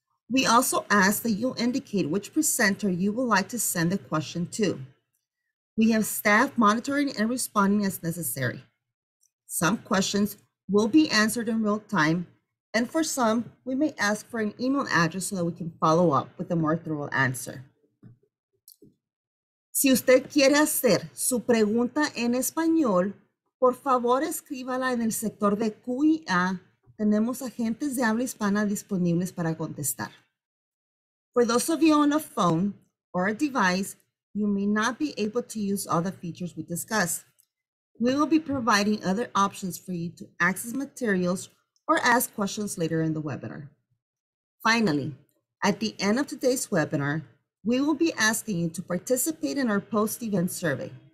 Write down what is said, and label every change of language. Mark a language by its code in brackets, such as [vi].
[en] We also ask that you indicate which presenter you would like to send the question to. We have staff monitoring and responding as necessary. Some questions will be answered in real time, and for some, we may ask for an email address so that we can follow up with a more thorough answer. [es] Si usted quiere hacer su pregunta en español, por favor escríbala en el sector de Q&A. Tenemos agentes de habla hispana disponibles para contestar. [en] For those of you on a phone or a device, you may not be able to use all the features we discuss. We will be providing other options for you to access materials or ask questions later in the webinar. Finally, at the end of today's webinar, we will be asking you to participate in our post-event survey.